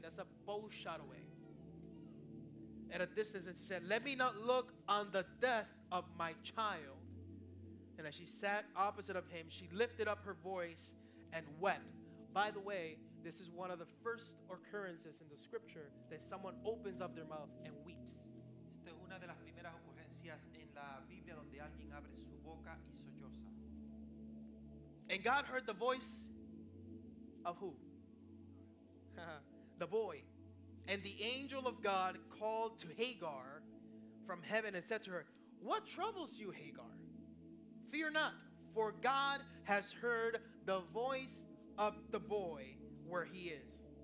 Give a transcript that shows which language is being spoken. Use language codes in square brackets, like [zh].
[en] That's a bow shot away. At a distance, and she said, let me not look on the death of my child. And as she sat opposite of him, she lifted up her voice and wept. By the way, This is one of the first occurrences in the scripture that someone opens up their mouth and weeps. [es] Esta es una de las primeras ocurrencias en la Biblia donde alguien abre su boca y solloza. [en] And God heard the voice of who? The boy. And the angel of God called to Hagar from heaven and said to her, "What troubles you, Hagar? Fear not, for God has heard the voice of the boy where he is.